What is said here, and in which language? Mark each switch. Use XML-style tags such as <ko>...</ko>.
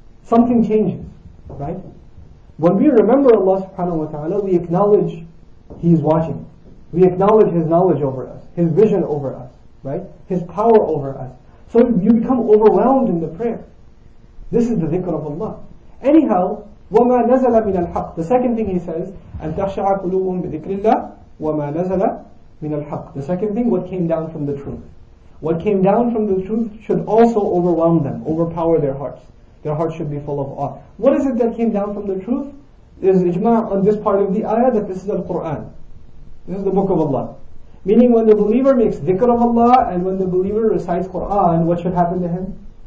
<en>Something changes, right? When we remember Allah subhanahu wa ta'ala, we acknowledge He is watching. We acknowledge His knowledge over us, His vision over us, right? His power over us. So you become overwhelmed in the prayer. This is the dhikr of Allah. Anyhow,</en> <ar>وَمَا نَزَلَ مِنَ الْحَقِّ.</ar> <en>The second thing he says,</en> <ar>أَن تَخْشَعَ قُلُوبٌ بِذِكْرِ اللَّهِ وَمَا نَزَلَ مِنَ الْحَقِّ.</ar> <en>The second thing, what came down from the truth. What came down from the truth should also overwhelm them, overpower their hearts. Their heart should be full of awe. What is it that came down from the truth? There's ijma on this part of the ayah that this is Al-Quran. This is the book of Allah. Meaning when the believer makes dhikr of Allah and when the believer recites Quran, what should happen to him?</en>